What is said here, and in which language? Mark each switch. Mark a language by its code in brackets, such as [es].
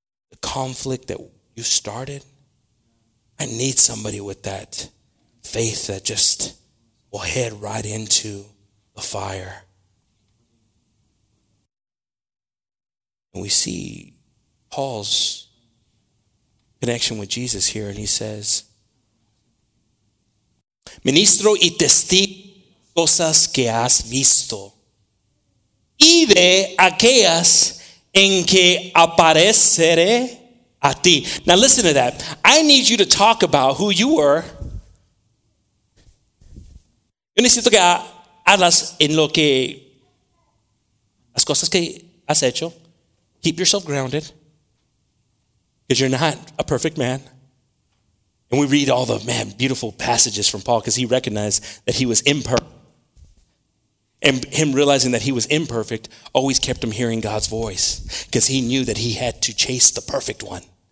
[en] The conflict that you started. I need somebody with that faith that just will head right into the fire. And we see Paul's connection with Jesus here. And he says, [es] ministro y testigo. Cosas que has visto y de aquellas en que apareceré a ti. [en] Now listen to that. I need you to talk about who you were. [es] Yo necesito que hablas en lo que las cosas que has hecho. [en] Keep yourself grounded because you're not a perfect man. And we read all the man beautiful passages from Paul because he recognized that he was imperfect. And him realizing that he was imperfect always kept him hearing God's voice because he knew that he had to chase the perfect one.